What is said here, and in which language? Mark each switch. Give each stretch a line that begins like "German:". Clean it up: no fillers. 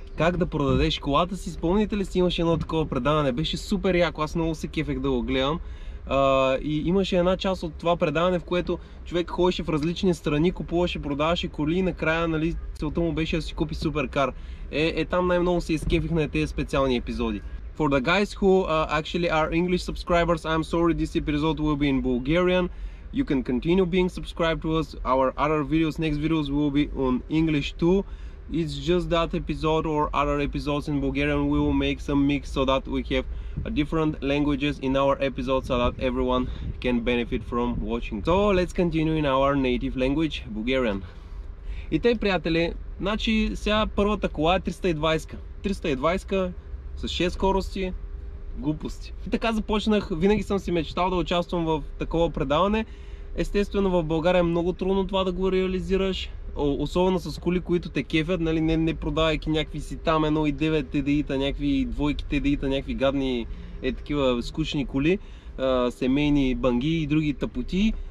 Bulgarian: Как да продадеш колата си. Спомните ли си, имаше едно такова предаване? Беше супер яко, аз много се кефех да го гледам. И имаше една част от това предаване, в което човек ходеше в различни страни, купуваше, продаваше коли и накрая, нали, целта му беше да си купи суперкар. Там най-много се изкефих на тези специални епизоди.
English: For the guys who actually are English subscribers, I'm sorry, this episode will be in Bulgarian. You can continue being subscribed to us. Our other videos, next videos will be on English too. It's just that episode or other episodes in Bulgarian we will make some mix so that we have different languages in our episodes so that everyone can benefit from watching. So let's continue in our native language, Bulgarian.
Bulgarian: И тъй, приятели, значи сега първата кола е 320 с 6 скорости, глупости. И така започнах, винаги съм си мечтал да участвам в такова предаване. Естествено в България е много трудно това да го реализираш. Особено с коли, които те кефят, нали, не продавайки някакви си там 1.9 TDI-та, някакви двойки TDI-та, някакви гадни такива скучни коли, семейни банги и други тъпоти.